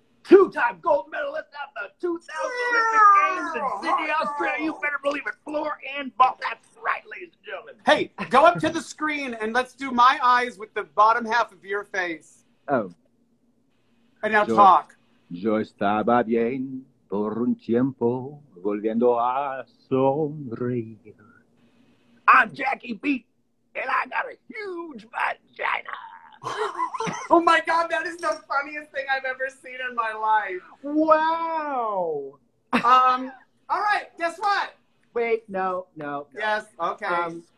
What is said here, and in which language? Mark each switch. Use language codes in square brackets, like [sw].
[en] Two-time gold medalist at the 2000 Olympic Games in Sydney, Australia. You better believe it, floor and ball. That's right, ladies and gentlemen. Hey, go up to the screen and let's do my eyes with the bottom half of your face. Oh. And now talk. [es] Yo estaba bien por un tiempo volviendo a sonreír. [en] I'm Jackie Beat, and I got a huge vagina. Oh my God, that is the funniest thing I've ever seen in my life. Wow. All right, guess what? Wait, no. Yes, okay.